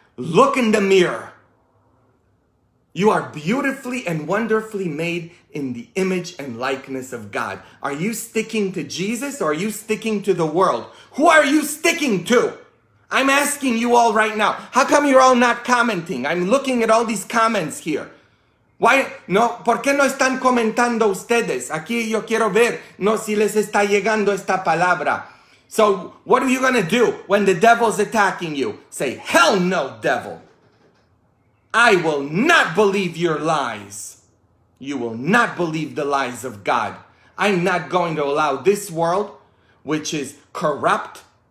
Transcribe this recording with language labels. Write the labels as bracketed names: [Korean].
[English] Look in the mirror. You are beautifully and wonderfully made in the image and likeness of God. Are you sticking to Jesus or are you sticking to the world? Who are you sticking to? I'm asking you all right now. How come you're all not commenting? I'm looking at all these comments here. Why? [Spanish] No, ¿por qué no están comentando ustedes? Aquí yo quiero ver, no, si les está llegando esta palabra. [English] So, what are you going to do when the devil's attacking you? Say, hell no, devil. I will not believe your lies. You will not believe the lies of God. I'm not going to allow this world, which is corrupt.